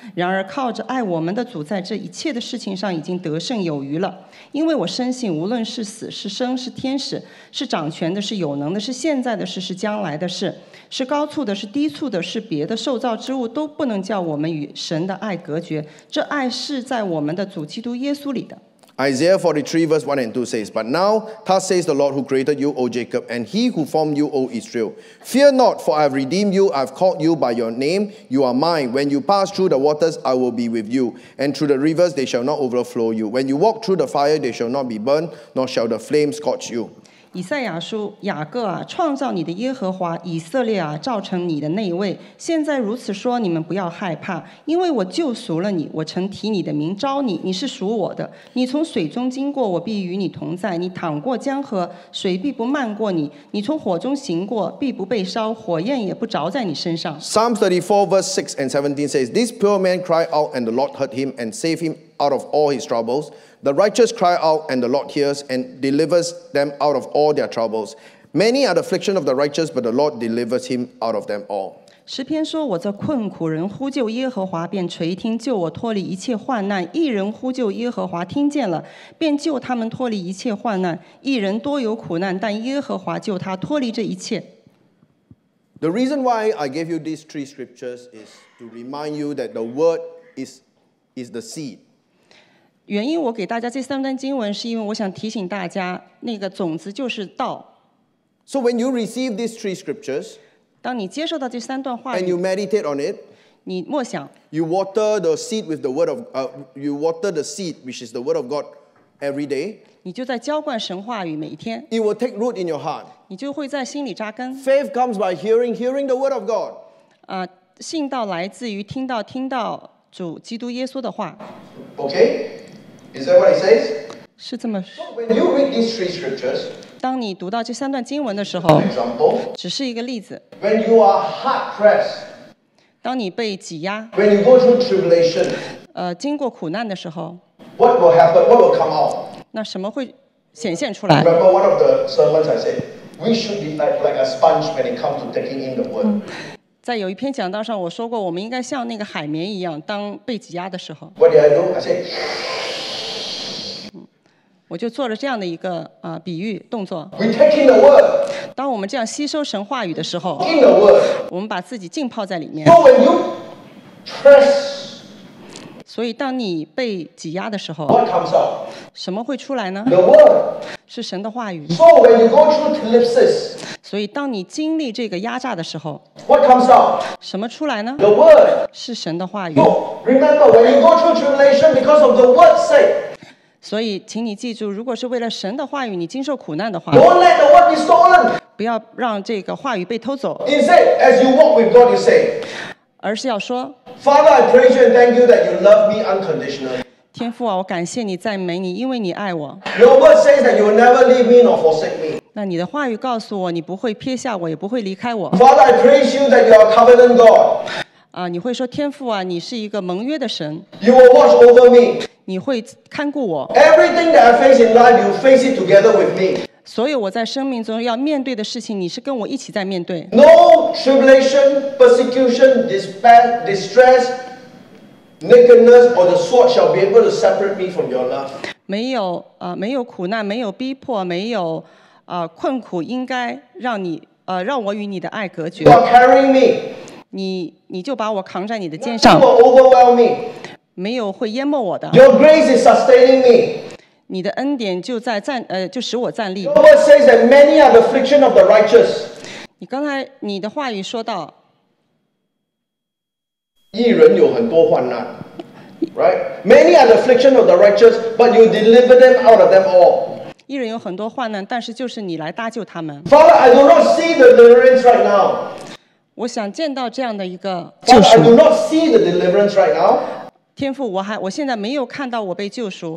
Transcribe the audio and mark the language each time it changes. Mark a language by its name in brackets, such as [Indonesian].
[Chinese] 然而靠着爱我们的主，在这一切的事情上已经得胜有余了。因为我深信，无论是死是生，是天使是掌权的，是有能的，是现在的事是将来的事，是高处的，是低处的，是别的受造之物，都不能叫我们与神的爱隔绝。这爱是在我们的主基督耶稣里的。 [English] Isaiah 43 verse 1 and 2 says, But now, thus says the Lord who created you, O Jacob, and he who formed you, O Israel. Fear not, for I have redeemed you, I have called you by your name, you are mine. When you pass through the waters, I will be with you, and through the rivers they shall not overflow you. When you walk through the fire, they shall not be burned, nor shall the flame scorch you. [Chinese] 以赛亚书雅各啊创造你的耶和华以色列啊造成你的那一位现在如此说你们不要害怕因为我救赎了你我曾提你的名招你你是属我的你从水中经过我必与你同在你淌过江河水必不漫过你你从火中行过必不被烧火焰也不着在你身上 [English] Psalm 34 verse 6 and 17 says This poor man cried out and the Lord heard him and saved him out of all his troublesThe righteous cry out, and the Lord hears, and delivers them out of all their troubles. Many are the afflictions of the righteous, but the Lord delivers him out of them all. [Chinese] 诗篇说，我这困苦人呼救耶和华，便垂听，救我脱离一切患难。一人呼救耶和华，听见了，便救他们脱离一切患难。一人多有苦难，但耶和华救他脱离这一切。 [English] The reason why I gave you these three scriptures is to remind you that the word is the seed. [Chinese] 原因我给大家这三段经文是因为我想提醒大家那个种子就是道 [English] So when you receive these three scriptures [Chinese] 当你接受到这三段话语 [English] And you meditate on it [Chinese] 你默想 [English] You water the seed with the word of you water the seed which is the word of God every day [Chinese] 你就在浇灌神话语每一天 [English] It will take root in your heart [Chinese] 你就会在心里扎根 [English] Faith comes by hearing the word of God [Chinese] 信道来自于听到主基督耶稣的话 [English] OkayIs that what he says? [Chinese] 是这么说。 [English] So when you read these three scriptures, [Chinese] 当你读到这三段经文的时候 [English] for example, [Chinese] 只是一个例子。 [English] When you are hard pressed, [Chinese] 当你被挤压 [English] when you go through tribulation, [Chinese] 经过苦难的时候 [English] what will happen, what will come out? [Chinese] 那什么会显现出来 [English] Remember one of the sermons I said, we should be like a sponge when it comes to taking in the word. [Chinese] 在有一篇讲道上我说过我们应该像那个海绵一样当被挤压的时候 [English] What did I do? I said, [Chinese] 我就做了这样的一个比喻动作 [English] We take in the word. [Chinese] 当我们这样吸收神话语的时候 [English] in the word. [Chinese] 我们把自己浸泡在里面 [English] so when you press, [Chinese] 所以当你被挤压的时候 [English] what comes out? [Chinese] 什么会出来呢 [English] the word. [Chinese] 是神的话语 [English] so when you go through eclipses, [Chinese] 所以当你经历这个压榨的时候 [English] what comes out? [Chinese] 什么出来呢 [English] the word. [Chinese] 是神的话语 [English] so, Remember when you go through tribulation because of the word's sake [Chinese] 所以请你记住如果是为了神的话语你经受苦难的话 [English] Don't let the word be stolen. [Chinese] 不要让这个话语被偷走 [English] Instead, as you walk with God, you say, [Chinese] 而是要说 [English] Father, I praise you and thank you that you love me unconditionally. [Chinese] 天父啊，我感谢你，赞美你，因为你爱我。 [English] Your word says that you will never leave me nor forsake me. [Chinese] 那你的话语告诉我，你不会撇下我，也不会离开我。 [English] Father, I praise you that you are covenant God. [Chinese] 啊，你会说天父啊，你是一个盟约的神。 [English] You will watch over me. [Chinese] 你会看顾我。 [English] Everything that I face in life, you face it together with me. [Chinese] 所有我在生命中要面对的事情，你是跟我一起在面对。 [English] No tribulation, persecution, despair, distress, nakedness, or the sword shall be able to separate me from your love. [Chinese] 没有啊，没有苦难，没有逼迫，没有啊困苦，应该让你让我与你的爱隔绝。 [English] You are carrying me. [Chinese] 你就把我扛在你的肩上。 [English] Nothing will overwhelm me. [Chinese] 没有会淹没我的。 [English] Your grace is sustaining me. [Chinese] 你的恩典就在站就使我站立。 [English] Your word says that many are the affliction of the righteous. [Chinese] 你刚才你的话语说到，义人有很多患难 ， [English] right? Many are the affliction of the righteous, but you deliver them out of them all. [Chinese] 义人有很多患难，但是就是你来搭救他们。 [English] Father, I do not see the deliverance right now. [Chinese] 我想见到这样的一个救赎。 [English] Father, I do not see the deliverance right now. [Chinese] 天父，我现在没有看到我被救赎。